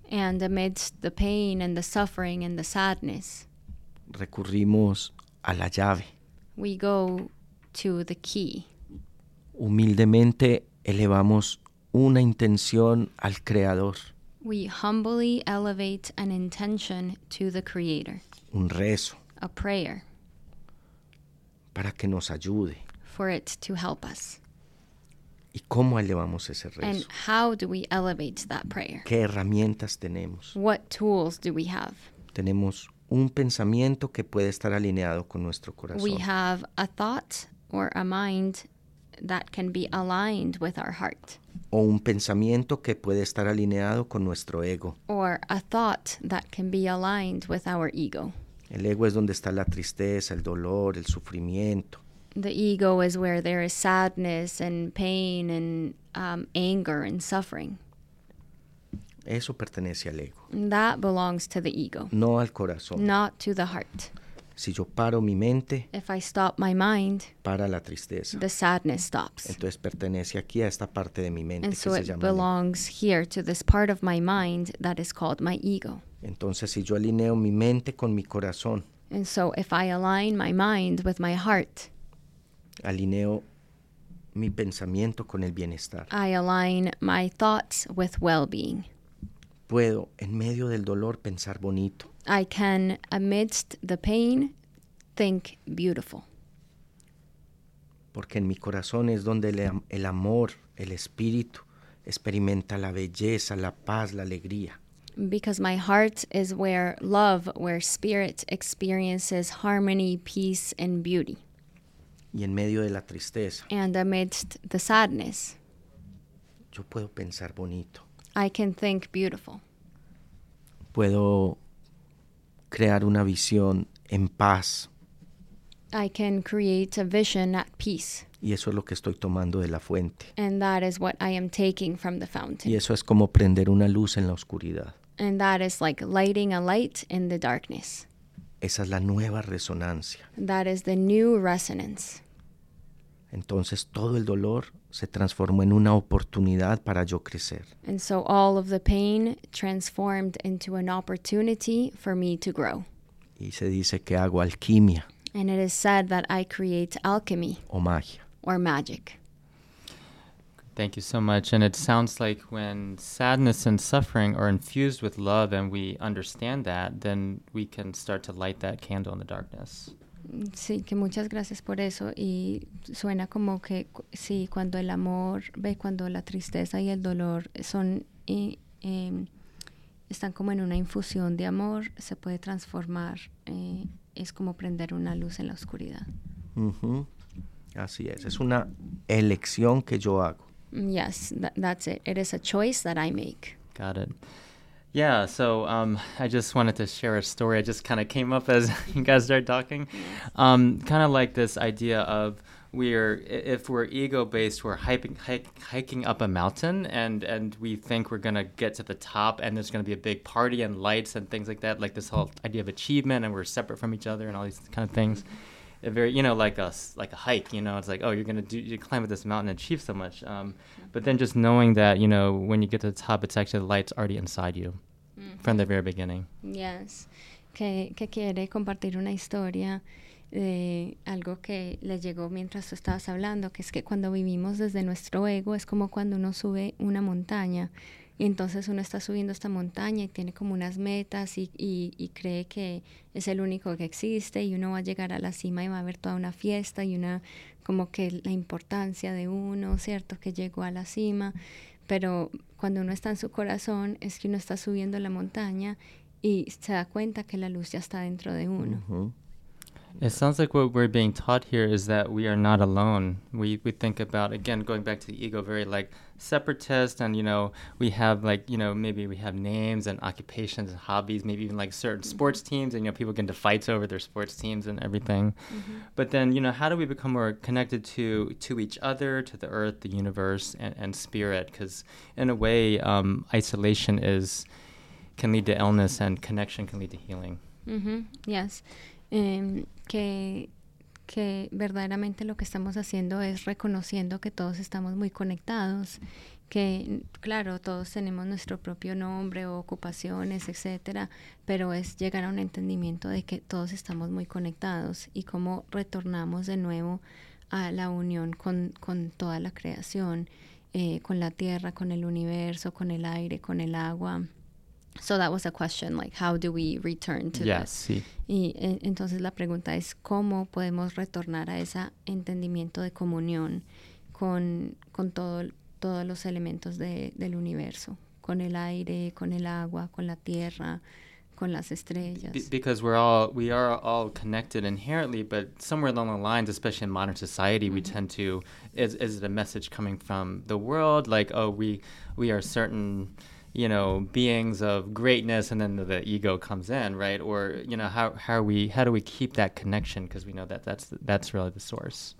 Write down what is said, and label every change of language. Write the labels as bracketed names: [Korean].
[English] And amidst the pain and the suffering and the sadness. [Spanish] Recurrimos a la llave. [English] We go to the key. [Spanish] Humildemente elevamos una intención al Creador. [English] We humbly elevate an intention to the Creator. [Spanish] Un rezo. [English] A prayer. [Spanish] Para que nos ayude. [English] For it to help us. [Spanish] ¿Y cómo elevamos ese rezo? [English] And how do we elevate that prayer? [Spanish] ¿Qué herramientas tenemos? [English] What tools do we have? [Spanish] Tenemos un pensamiento que puede estar alineado con nuestro corazón. [English] We have a thought or a mind that can be aligned with our heart. [Spanish] O un pensamiento que puede estar alineado con nuestro ego. [English] Or a thought that can be aligned with our ego. [Spanish] El ego es donde está la tristeza, el dolor, el sufrimiento. [English] The ego is where there is sadness and pain and anger and suffering. [Spanish] Eso pertenece al ego. [English] That belongs to the ego. [Spanish] No al corazón. [English] Not to the heart. [Spanish] Si yo paro mi mente, [English] if I stop my mind, [Spanish] para la tristeza, [English] the sadness stops. [Spanish] Entonces pertenece aquí a esta parte de mi mente. [English] And [Spanish] que [English] so [Spanish] se [English] it [Spanish] llama [English] belongs mi. Here to this part of my mind that is called my ego. [Spanish] Entonces si yo alineo mi mente con mi corazón, [English] and so if I align my mind with my heart, [Spanish] alineo mi pensamiento con el bienestar. [English] I align my thoughts with well-being. [Spanish] Puedo en medio del dolor pensar bonito. [English] I can, amidst the pain, think beautiful. [Spanish] Porque en mi corazón es donde el amor, el espíritu, experimenta la belleza, la paz, la alegría. [English] Because my heart is where love, where spirit experiences harmony, peace, and beauty. [Spanish] Y en medio de la tristeza. [English] And amidst the sadness. [Spanish] Yo puedo pensar bonito. [English] I can think beautiful. [Spanish] Puedo crear una visión en paz. [English] I can create a vision at peace. [Spanish] Y eso es lo que estoy tomando de la fuente. [English] And that is what I am taking from the fountain. [Spanish] Y eso es como prender una luz en la oscuridad. [English] And that is like lighting a light in the darkness. [Spanish] Esa es la nueva resonancia. [English] That is the new resonance. [Spanish] Entonces todo el dolor se transformó en una oportunidad para yo crecer. [English] And so all of the pain transformed into an opportunity for me to grow. [Spanish] Y se dice que hago alquimia. [English] And it is said that I create alchemy. [Spanish] O magia. [English] Or magic. Thank you so much. And it sounds like when sadness and suffering are infused with love and we understand that, then we can start to light that candle in the darkness. [Spanish] Sí, que muchas gracias por eso. Y suena como que sí, cuando el amor ve, cuando la tristeza y el dolor son están como en una infusión de amor, se puede transformar. Es como prender una luz en la oscuridad. Uh-huh. Así es. Es una elección que yo hago. [English] Yes, that's it. It is a choice that I make. Got it. Yeah, so I just wanted to share a story. I just kind of came up as you guys started talking. Kind of like this idea of if we're ego-based, we're hiking up a mountain and we think we're going to get to the top and there's going to be a big party and lights and things like that, like this whole idea of achievement and we're separate from each other and all these kind of things. Like a hike, you know, it's like, oh, you climb up this mountain and achieve so much. But then just knowing that, you know, when you get to the top, it's actually the light's already inside you from the very beginning. Yes. [Spanish] Que quiere compartir una historia de algo que le llegó mientras tú estabas hablando, que es que cuando vivimos desde nuestro ego, es como cuando uno sube una montaña. Y entonces uno está subiendo esta montaña y tiene como unas metas y cree que es el único que existe y uno va a llegar a la cima y va a haber toda una fiesta y una como que la importancia de uno, ¿cierto? Que llegó a la cima. Pero cuando uno está en su corazón es que uno está subiendo la montaña y se da cuenta que la luz ya está dentro de uno. Uh-huh. [English] It sounds like what we're being taught here is that we are not alone. We think about, again, going back to the ego, very like separatist, and you know, we have like, you know, maybe we have names and occupations and hobbies, maybe even like certain sports teams, and you know, people get into fights over their sports teams and everything. Mm-hmm. But then, you know, how do we become more connected to each other, to the earth, the universe, and spirit? Because in a way, isolation can lead to illness, and connection can lead to healing. Mm-hmm. Yes. [Spanish] Que verdaderamente lo que estamos haciendo es reconociendo que todos estamos muy conectados, que claro, todos tenemos nuestro propio nombre o ocupaciones, etcétera, pero es llegar a un entendimiento de que todos estamos muy conectados y cómo retornamos de nuevo a la unión con toda la creación, con la tierra, con el universo, con el aire, con el agua. [English] So that was a question, like, how do we return to this? Yes, sí. [Spanish] Y entonces la pregunta es, ¿cómo podemos retornar a ese entendimiento de comunión con todos los elementos del universo? Con el aire, con el agua, con la tierra, con las estrellas. [English] Because we are all connected inherently, but somewhere along the lines, especially in modern society, mm-hmm. we tend to, is it a message coming from the world? Like, oh, we are certain, you know, beings of greatness, and then the ego comes in, right? Or, you know, how do we keep that connection? Because we know that that's really the source.